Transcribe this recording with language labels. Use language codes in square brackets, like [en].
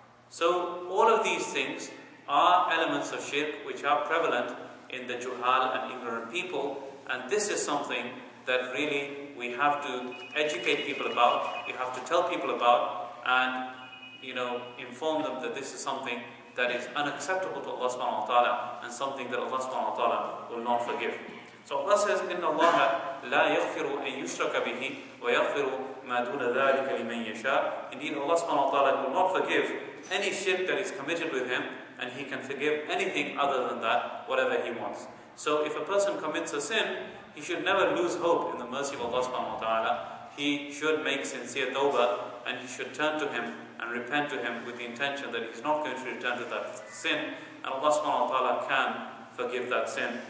[en] So all of these things are elements of shirk which are prevalent in the juhal and ignorant people, and this is something that really we have to educate people about, we have to tell people about, and you know, inform them that this is something that is unacceptable to Allah subhanahu wa ta'ala and something that Allah subhanahu wa ta'ala will not forgive. [ar] So Allah says, إِنَّ اللَّهَ لَا يَغْفِرُ أَن يُشْرَكَ بِهِ وَيَغْفِرُ مَا دُونَ ذَٰلِكَ لِمَن يَشَاءُ. [en] Indeed, Allah subhanahu wa ta'ala will not forgive any shirk that is committed with him, and he can forgive anything other than that, whatever he wants. So if a person commits a sin, he should never lose hope in the mercy of Allah subhanahu wa ta'ala. He should make sincere tawbah, and he should turn to him and repent to him with the intention that he's not going to return to that sin, and Allah subhanahu wa ta'ala can forgive that sin.